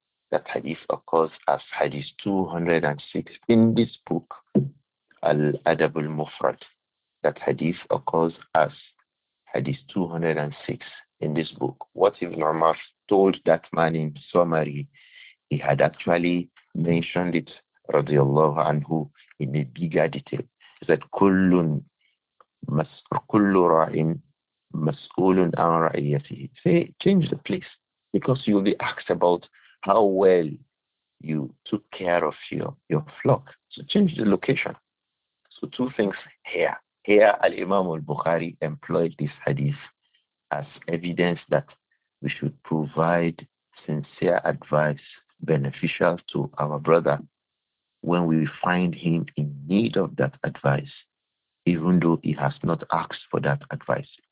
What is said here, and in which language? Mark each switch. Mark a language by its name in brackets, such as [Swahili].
[English] That hadith occurs as hadith 206 in this book, Al-Adab al-Mufrad. That hadith occurs as hadith 206 in this book. What Ibn Umar told that man in summary, he had actually mentioned it, radiallahu anhu, in a bigger detail. He said, [Arabic] كُلُّ رَعِن مَسْئُولٌ عَنْ رَعِيَتِهِ. [English] Say, change the place. Because you'll be asked about how well you took care of your flock. So change the location. So two things here. Here, Al-Imam al-Bukhari employed this hadith as evidence that we should provide sincere advice beneficial to our brother when we find him in need of that advice, even though he has not asked for that advice.